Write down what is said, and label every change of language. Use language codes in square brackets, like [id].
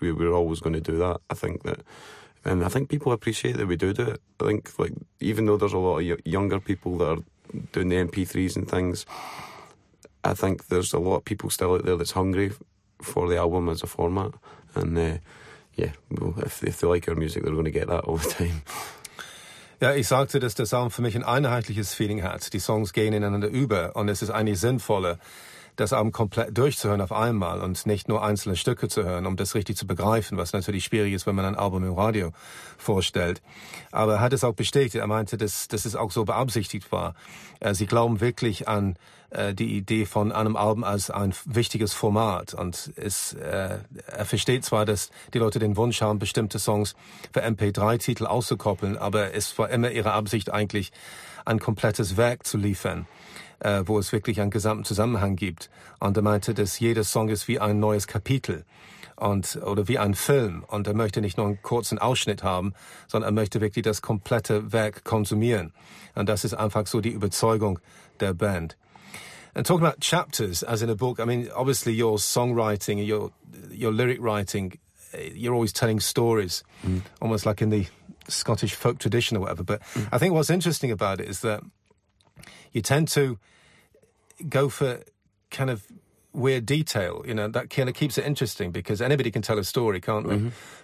[en] We're always going to do that. I think people appreciate that we do it. I think, like, even though there's a lot of younger people that are doing the MP3s and things, I think there's a lot of people still out there that's hungry for the album as a format. And if they like our music, they're going to get that all the time. [de] Ja, ich sagte, dass das Album für mich ein einheitliches Feeling hat. Die Songs gehen ineinander über, und es ist eigentlich sinnvoller, das Album komplett durchzuhören auf einmal und nicht nur einzelne Stücke zu hören, um das richtig zu begreifen, was natürlich schwierig ist, wenn man ein Album im Radio vorstellt. Aber er hat es auch bestätigt. Er meinte, dass es auch so beabsichtigt war. Sie glauben wirklich an die Idee von einem Album als ein wichtiges Format. Und er versteht zwar, dass die Leute den Wunsch haben, bestimmte Songs für MP3-Titel auszukoppeln, aber es war immer ihre Absicht, eigentlich ein komplettes Werk zu liefern, wo es wirklich einen gesamten Zusammenhang gibt. Und er meinte, dass jeder Song ist wie ein neues Kapitel oder wie ein Film. Und er möchte nicht nur einen kurzen Ausschnitt haben, sondern er möchte wirklich das komplette Werk konsumieren. Und das ist einfach so die Überzeugung der Band. [en] And talking about chapters, as in a book, I mean, obviously your songwriting, your lyric writing, you're always telling stories, almost like in the Scottish folk tradition or whatever. But I think what's interesting about it is that you tend to go for kind of weird detail, you know, that kind of keeps it interesting, because anybody can tell a story, can't they? Mm-hmm.